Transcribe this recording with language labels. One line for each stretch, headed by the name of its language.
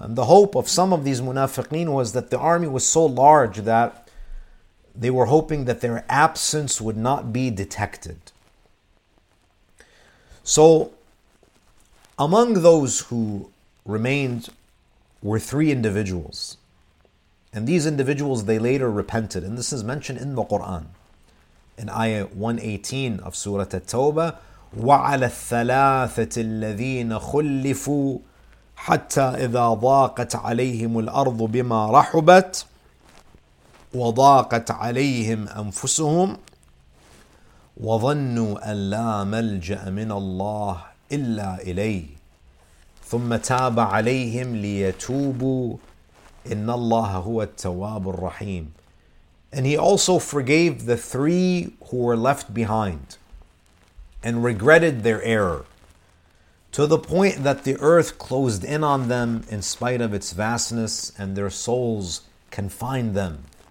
English: And the hope of some of these munafiqeen was that the army was so large that they were hoping that their absence would not be detected. So, among those who remained were three individuals. And these individuals, they later repented. And this is mentioned in the Quran, in ayah 118 of Surah At-Tawbah,
Arabic: وَعَلَى الثَّلَاثَةِ الَّذِينَ خُلِّفُوا حَتَّى إِذَا ضَاقَتْ عَلَيْهِمُ الْأَرْضُ بِمَا رَحُبَتْ وَضَاقَتْ عَلَيْهِمْ أَنفُسُهُمْ وَظَنُّوا أَنْ لَا مَلْجَأَ مِنَ اللَّهِ إِلَّا إِلَيْهِ ثُمَّ تَابَ عَلَيْهِمْ لِيَتُوبُوا إِنَّ اللَّهَ هُوَ التَّوَّابُ الرَّحِيمُ.
English: And he also forgave the three who were left behind and regretted their error to the point that the earth closed in on them in spite of its vastness, and their souls confined them.